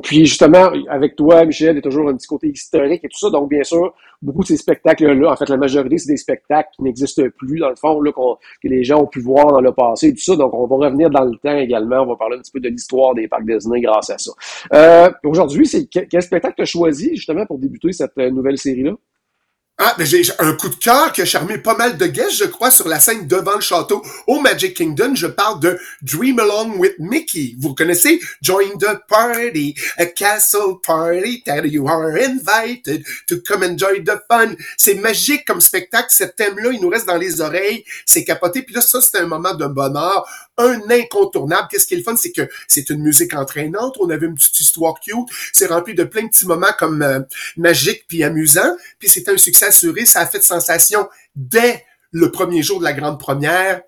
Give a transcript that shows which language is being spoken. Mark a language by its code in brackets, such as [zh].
[fr] Puis justement, avec toi, Michel, il y a toujours un petit côté historique et tout ça, donc bien sûr, beaucoup de ces spectacles-là, en fait, la majorité, c'est des spectacles qui n'existent plus, dans le fond, là, que les gens ont pu voir dans le passé et tout ça, donc on va revenir dans le temps également, on va parler un petit peu de l'histoire des parcs Disney grâce à ça. Aujourd'hui, c'est quel spectacle tu as choisi, justement, pour débuter cette nouvelle série-là? Ah, mais j'ai un coup de cœur qui a charmé pas mal de guests, je crois, sur la scène devant le château au Magic Kingdom. Je parle de Dream Along with Mickey. Vous connaissez? [en] Join the party, a castle party, that you are invited to come enjoy the fun. [fr] C'est magique comme spectacle. Ce thème-là, il nous reste dans les oreilles. C'est capoté. Puis là, ça, c'est un moment de bonheur. Un incontournable. Qu'est-ce qui est le fun, c'est que c'est une musique entraînante. On avait une petite histoire cute. C'est rempli de plein de petits moments comme magiques puis amusants. Puis c'était un succès assuré. Ça a fait sensation dès le premier jour de la grande première.